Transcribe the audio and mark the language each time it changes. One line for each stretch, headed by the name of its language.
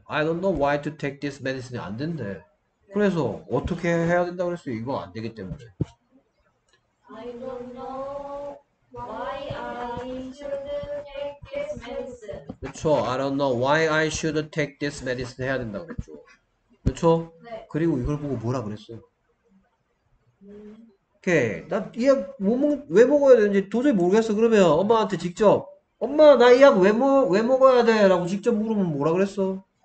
English: I don't know why to take this medicine이
Korean: 안 된대. 그래서 어떻게 해야 된다고 그랬어? 이거 안 되기 때문에.
English: I don't know why I shouldn't take this medicine.
Korean: 그쵸.
English: I don't know why I should take this medicine
Korean: 해야 된다고 그랬죠. 그쵸? 그리고 이걸 보고 뭐라 그랬어요? 오케이. 나이약왜 먹어야 되는지 도저히 모르겠어. 그러면 엄마한테 직접, 엄마, 나이약왜 먹어야 돼? 라고 직접 물으면 뭐라 그랬어?